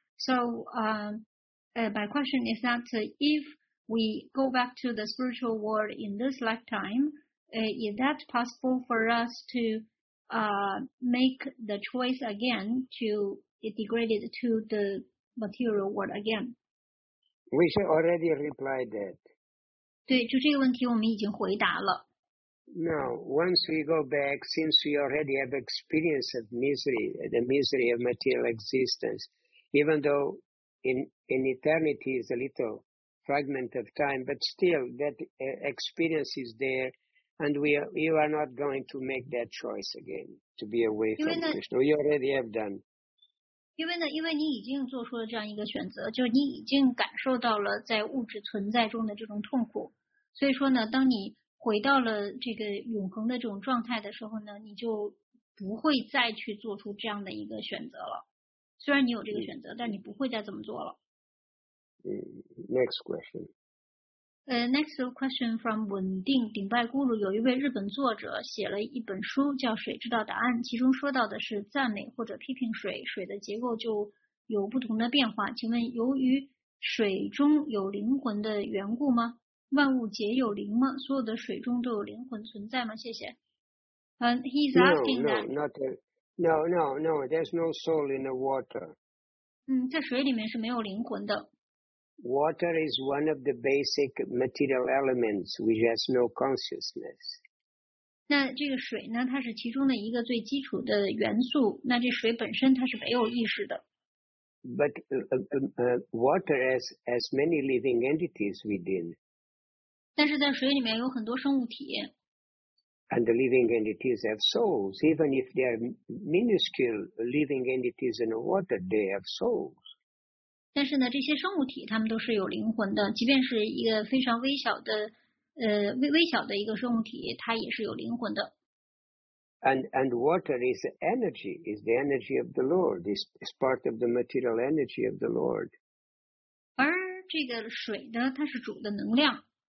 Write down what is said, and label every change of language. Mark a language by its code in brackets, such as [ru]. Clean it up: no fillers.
[en] So my question is that if we go back to the spiritual world in this lifetime, is that possible for us to make the choice again to degrade it to the material world again? We already replied that. [zh] 对，就这个问题我们已经回答了。 [en] Now, once we go back, since we already have experience of misery, the misery of material existence, even though in eternity is a little fragment of time, but still that experience is there. And you are not going to make that choice again to be away from Krishna. You already have done. [zh] 因为呢，因为你已经做出了这样一个选择，就是你已经感受到了在物质存在中的这种痛苦。所以说呢，当你回到了这个永恒的这种状态的时候呢，你就不会再去做出这样的一个选择了。虽然你有这个选择，但你不会再这么做了。 [en] 嗯 ，Next question. Next question from [zh] 稳定顶拜咕噜，有一位日本作者写了一本书叫《水知道答案》，其中说到的是赞美或者批评水，水的结构就有不同的变化。请问，由于水中有灵魂的缘故吗？万物皆有灵吗？所有的水中都有灵魂存在吗？谢谢。 [en] And he's asking No, there's no soul in the water. [zh] 在水里面是没有灵魂的。 [en] Water is one of the basic material elements which has no consciousness. [zh] 那这个水呢，它是其中的一个最基础的元素。那这水本身它是没有意识的。 [en] But water has many living entities within. [zh] 但是在水里面有很多生物体。 [en] and the living entities have souls. Even if they are minuscule living entities in water, they have souls. [zh] 但是呢，这些生物体它们都是有灵魂的，即便是一个非常微小的，微小的一个生物体，它也是有灵魂的。 [en] And water is energy, is the energy of the Lord, is part of the material energy of the Lord. [zh] 而这个水呢，它是主的能量。